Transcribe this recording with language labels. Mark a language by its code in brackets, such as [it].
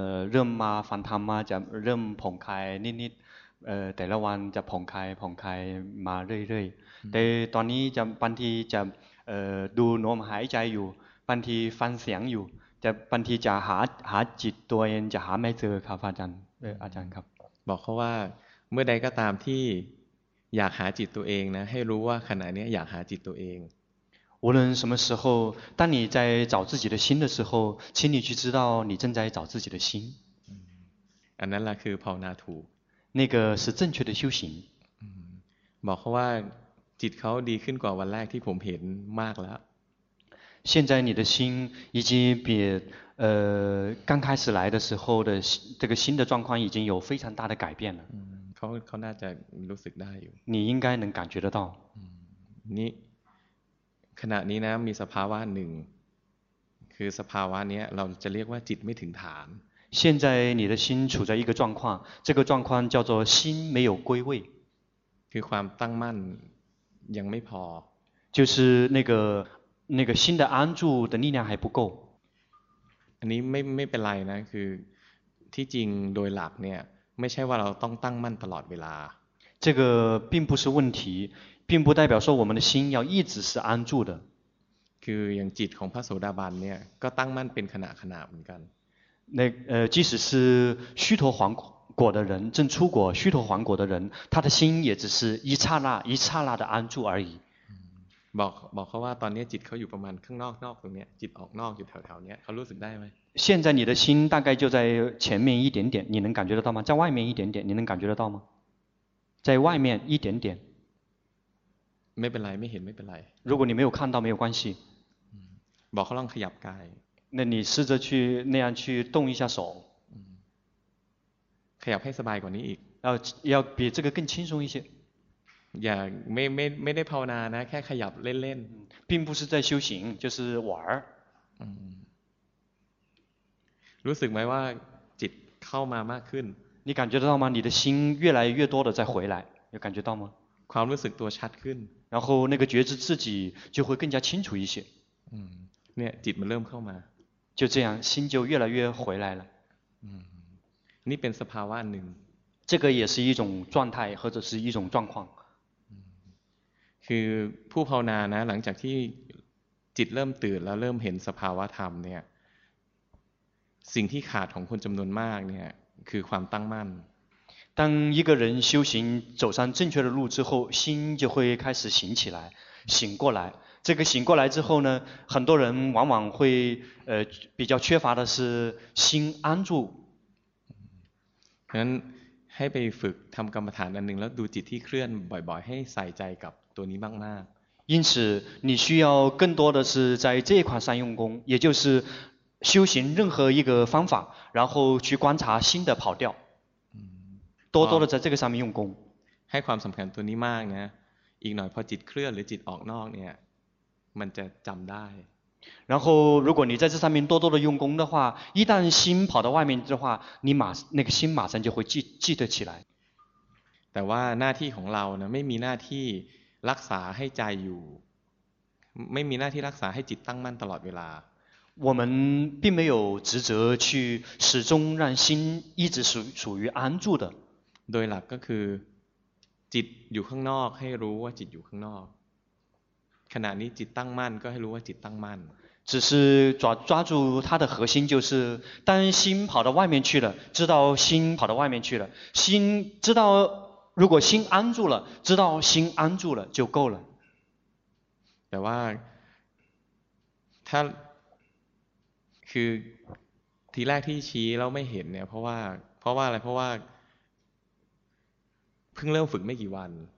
[th] เริ่มมาฟังธรรมมาจะเริ่มผ่องคลายนิดแต่ละวันจะผ่องคลายมาเรื่อยๆแต่ตอนนี้จะบางทีจะดูลมหายใจอยู่บางทีฟังเสียงอยู่จะบางทีจะหาจิตตัวเองจะหาไม่เจอครับอาจารย์อาจารย์ครับ บอกเขาว่าเมื่อใดก็ตามที่อยากหาจิตตัวเองนะให้รู้ว่าขณะนี้อยากหาจิตตัวเอง [zh] 无论什么时候当你在找自己的心的时候请你去知道你正在找自己的心 [th] อันนั้นล่ะคือภาวนาถูก [zh] 那个是正确的修行 [th] บอกเขาว่าจิตเขาดีขึ้นกว่าวันแรกที่ผมเห็นมากแล้ว [zh] 现在你的心已经比刚开始来的时候的这个新的状况已经有非常大的改变了 [th] เขาน่าจะรู้สึกได้อยู่ [zh] 你应该能感觉得到 [th] นี่ขณะนี้นะมีสภาวะหนึ่งคือสภาวะนี้เราจะเรียกว่าจิตไม่ถึงฐาน [zh] 现在你的心处在一个状况这个状况叫做心没有归位 [th] คือความตั้งมั่นยังไม่พอ [zh] 就是那个心的安住的力量还不够 [th] อันนี้ไม่เป็นไรนะคือที่จริงโดยหลักเนี่ยไม่ใช่ว่าเราต้องตั้งมั่นตลอดเวลา [zh] 这个并不是问题并不代表说我们的心要一直是安住的 [th] คืออย่างจิตของพระโสดาบันเนี่ยก็ตั้งมั่นเป็นขณะเหมือนกัน [zh] 那即使是虚陀洹果的人正出果虚陀洹果的人他的心也只是一刹那一刹那的安住而已 [th] บอกเขาว่าตอนนี้จิตเขาอยู่ประมาณข้างนอกตรงนี้จิตออกนอกอยู่แถวๆนี้เขารู้สึกได้ไหม [zh] 现在你的心大概就在前面一点点你能感觉得到吗在外面一点点你能感觉得到吗在外面一点点 [th] ไม่เป็นไรไม่เห็นไม่เป็นไร [zh] 如果你没有看到没有关系 [th] บอกเขาลองขยับกาย [zh] 那你试着去那样去动一下手 [th] ขยับให้สบายกว่านี้อีก [zh] 要比这个更轻松一些 [th] อย่าไม่ได้ภาวนานะแค่ขยับเล่น [zh] ๆ并不是在修行就是玩 [th] รู้สึกไหมว่าจิตเข้ามามากขึ้น [zh] 你感觉到吗你的心越来越多的再回来有感觉到吗 [th] ความรู้สึกตัวชัดขึ้น [zh] 然后那个觉知自己就会更加清楚一些。 [th] 嗯，那จิตมันเริ่มเข้ามา。 [zh] 就这样，心就越来越回来了。 [th] 嗯，นี่เป็นสภาวะหนึ่ง。 [zh] 这个也是一种状态或者是一种状况。 [th] คือผู้ภาวนานะหลังจากที่จิตเริ่มตื่นแล้วเริ่มเห็นสภาวะธรรมเนี่ยสิ่งที่ขาดของคนจำนวนมากเนี่ยคือความตั้งมั่น [zh] 当一个人修行走上正确的路之后心就会开始醒起来醒过来这个醒过来之后呢很多人往往会比较缺乏的是心安住 [th] งั้นให้ไปฝึกทำกรรมฐานอันหนึ่งแล้วดูจิตที่เคลื่อนบ่อยๆให้ใส่ใจกับตัวนี้มากมาก [zh] 因此你需要更多的是在这款善用功也就是修行任何一个方法然后去观察心的跑掉多多的在这个上面用功 [th] ให้ความสำคัญตัวนี้มากนะอีกหน่อยพอจิตเคลื่อนหรือจิตออกนอกเนี่ยมันจะจำได้ [zh] 然后如果你在这上面多多的用功的话一旦心跑到外面的话你马那个心马上就会记得起来 [th] แต่ว่าหน้าที่ของเรานะไม่มีหน้าที่รักษาให้ใจอยู่ไม่มีหน้าที่รักษาให้จิตตั้งมั่นตลอดเวลา [zh] 我们并没有职责去始终让心一直属于安住的 [th] โดยหลักก็คือจิตอยู่ข้างนอกให้รู้ว่าจิตอยู่ข้างนอกขณะนี้จิตตั้งมั่นก็ให้รู้ว่าจิตตั้งมั่น [zh] 只是抓住它的核心就是当心跑到外面去了知道心跑到外面去了心知道如果心安住了知道心安住了就够了 [th] แต่ว่าถ้าคือทีแรกที่ชี้แล้วไม่เห็นเนี่ยเพราะว่าอะไรเพราะว่าเพิ่งเริ่มฝึกไม่กี่วัน